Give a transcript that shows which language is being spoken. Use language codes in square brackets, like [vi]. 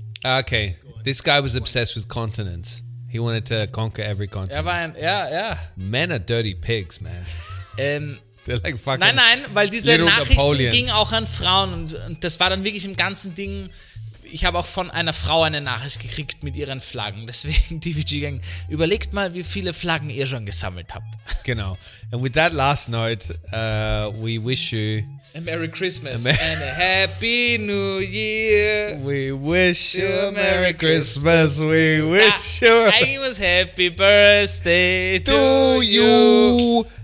[en] Okay, this guy was obsessed with continents. He wanted to conquer every continent. Men are dirty pigs, man. They're like fucking [de] Nein, nein, weil diese Nachrichten ging auch an Frauen und das war dann wirklich im ganzen Ding. Ich habe auch von einer Frau eine Nachricht gekriegt mit ihren Flaggen. Deswegen, TVG Gang, überlegt mal, wie viele Flaggen ihr schon gesammelt habt. Genau. [en] And with that last note, we wish you a Merry Christmas and a Happy New Year. We wish you a Merry Christmas. We wish you a Happy Birthday to you.